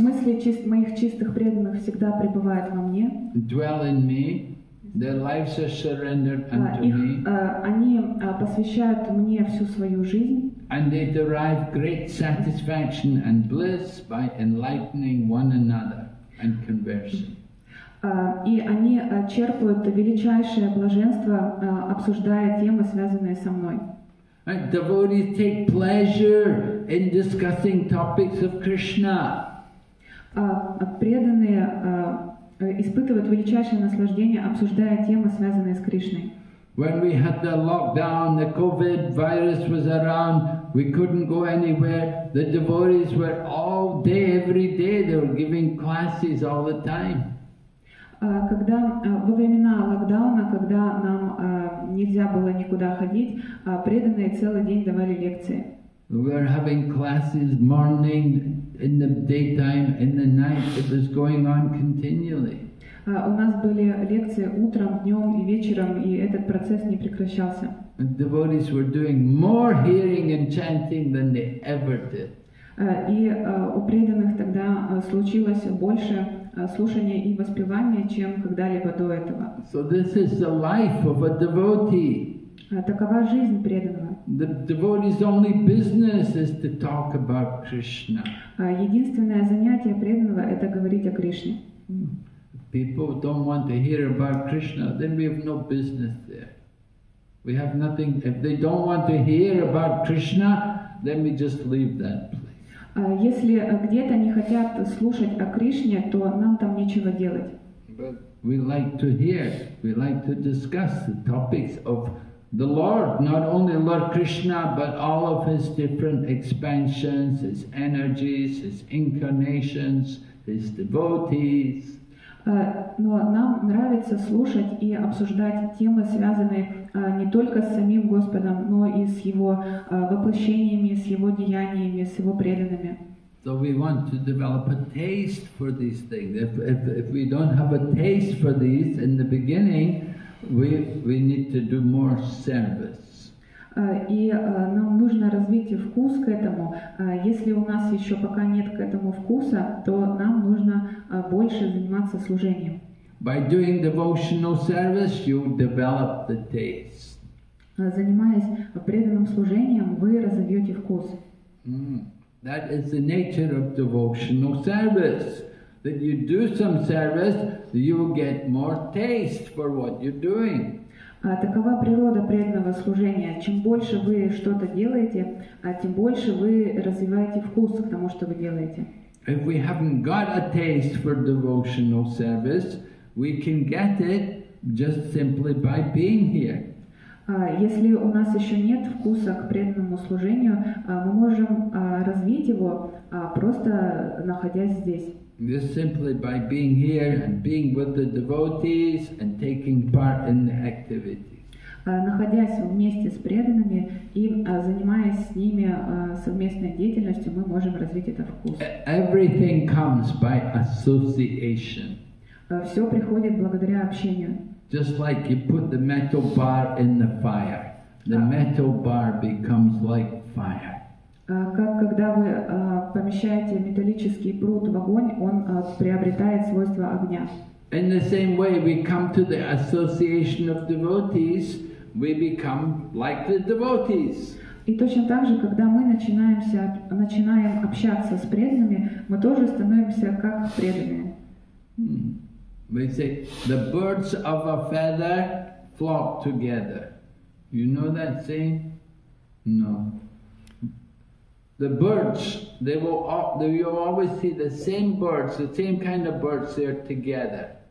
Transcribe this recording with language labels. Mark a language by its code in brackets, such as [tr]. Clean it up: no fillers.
[ru] мысли моих чистых преданных всегда пребывают во мне. [en] Dwell in me, their lives are surrendered unto me. [ru] Они посвящают мне всю свою жизнь. [en] And they derive great satisfaction and bliss by enlightening one another and conversing. [ru] И они черпают величайшее блаженство, обсуждая темы, связанные со мной. [en] Right. Devotees take pleasure in discussing topics of Krishna. [ru] Преданные испытывают величайшее наслаждение, обсуждая темы, связанные с Кришной. [en] When we had the lockdown, the COVID virus was around, we couldn't go anywhere. The devotees were all day, every day, they were giving classes all the time. [ru] Когда во времена локдауна, когда нам нельзя было никуда ходить, преданные целый день давали лекции. [en] We were having classes morning, in the daytime, in the night. It was going on continually. [ru] У нас были лекции утром, днем и вечером, и этот процесс не прекращался. [en] And devotees were doing more hearing and chanting than they ever did. [ru] И у преданных тогда случилось больше слушания и воспевания, чем когда-либо до этого. [en] So this is the life of a devotee. [ru] Такова жизнь преданного. [en] The devotee's only business is to talk about Krishna. [ru] Единственное занятие преданного – это говорить о Кришне. [en] People don't want to hear about Krishna, then we have no business there. We have nothing. If they don't want to hear about Krishna, then we just leave that place. [ru] Если где-то не хотят слушать о Кришне, то нам там нечего делать. [en] But we like to hear. We like to discuss the topics of the Lord, not only Lord Krishna, but all of his different expansions, his energies, his incarnations, his devotees. [ru] Но нам нравится слушать и обсуждать темы, связанные не только с самим Господом, но и с Его воплощениями, с Его деяниями, с Его преданными. [en] So we want to develop a taste for these things. If we don't have a taste for these in the beginning, we need to do more service. [ru] И нам нужно развить вкус к этому. Если у нас еще пока нет к этому вкуса, то нам нужно больше заниматься служением. [en] By doing devotional service, you develop the taste. [ru] Занимаясь преданным служением, вы разовьете вкус. [en] That is the nature of devotional service. That you do some service, you get more taste for what you're doing. [ru] Такова природа преданного служения. Чем больше вы что-то делаете, тем больше вы развиваете вкус к тому, что вы делаете. [en] If we haven't got a taste for devotional service, we can get it just simply by being here. [ru] Если у нас еще нет вкуса к преданному служению, мы можем развить его, просто находясь здесь. [en] Just simply by being here and being with the devotees and taking part in the activities. [ru] Находясь вместе с преданными и занимаясь с ними совместной деятельностью, мы можем развить этот вкус. [en] Everything comes by association. [ru] Все приходит благодаря общению. [en] Just like you put the metal bar in the fire, the metal bar becomes like fire. [ru] Как когда вы помещаете металлический прут в огонь, он приобретает свойства огня. [en] In the same way, we come to the association of devotees, we become like the devotees. [ru] И точно так же, когда мы начинаем общаться с преданными, мы тоже становимся как преданные. [en] We say, the birds of a feather flock together. You know that saying? No. The birds, you'll always see the same birds, the same kind of birds there together.